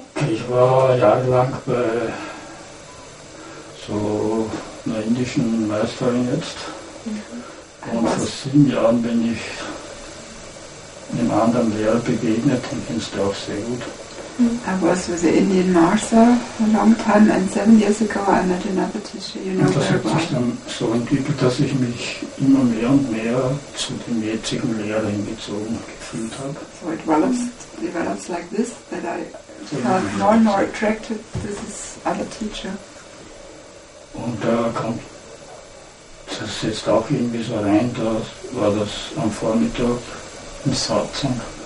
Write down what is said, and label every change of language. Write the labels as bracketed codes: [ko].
[de] Ich war jahrelang bei so einer indischen Meisterin jetzt. Mhm. Und vor 7 Jahren bin ich einem anderen Lehrer begegnet, den kennst du auch sehr gut. [en] I was with the Indian Martha a long time and 7 years ago I met another teacher, you know. [de] Und das hat sich dann so entwickelt, dass ich mich immer mehr und mehr zu dem jetzigen Lehrer hingezogen gefühlt habe. [en] So it develops like this, that I felt more and more attracted to this other teacher. [de] Und da kommt das jetzt auch irgendwie so rein, da war das am Vormittag im Satsang.